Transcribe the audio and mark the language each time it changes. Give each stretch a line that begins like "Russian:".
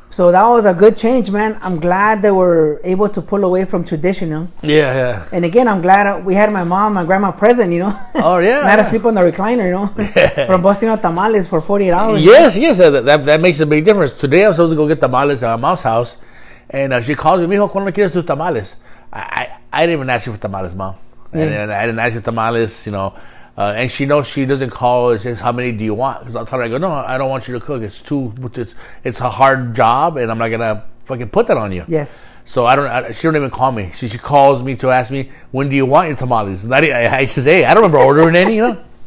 English: So that was a good change, man. I'm glad they were able to pull away from traditional. Yeah, yeah. And again, I'm glad we had my mom and my grandma present, you know. Oh, yeah. Not asleep on the recliner, you know. Yeah. From busting out tamales for 48 hours. Yes, yes. That makes a big difference. Today, I'm supposed to go get tamales at my mom's house. And she calls me,
Spanish: mijo, ¿cuándo quieres tus tamales?
English: I didn't even ask you for tamales, mom. Yeah. And I didn't ask you for tamales, you know. And she knows she doesn't call and says, how many do you want? Because I tell her, I go, no, I don't want you to cook. It's too, it's a hard job and I'm not going to fucking put that on you. Yes. So she don't even call me. She calls me to ask me, when do you want your tamales? And I says, hey, I don't remember ordering any, you know.